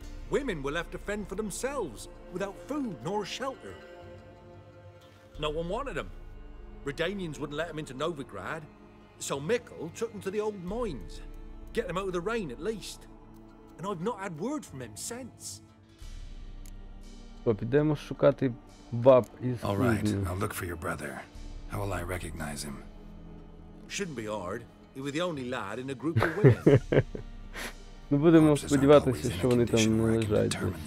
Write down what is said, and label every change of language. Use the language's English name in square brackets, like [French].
[English] Women were left to fend for themselves, without food nor shelter. No one wanted them. Redanians wouldn't let them into Novigrad, so Mickle took them to the old mines. Get them out of the rain, at least. And I've not had word from him since. [Ukrainian] Підемо шукати баб із кузні. [English] All right, I'll look for your brother. How will I recognize him? Shouldn't be hard. He was the only lad in a group of women. [Ukrainian] Ну, будемо сподіватися, що вони там не лежать.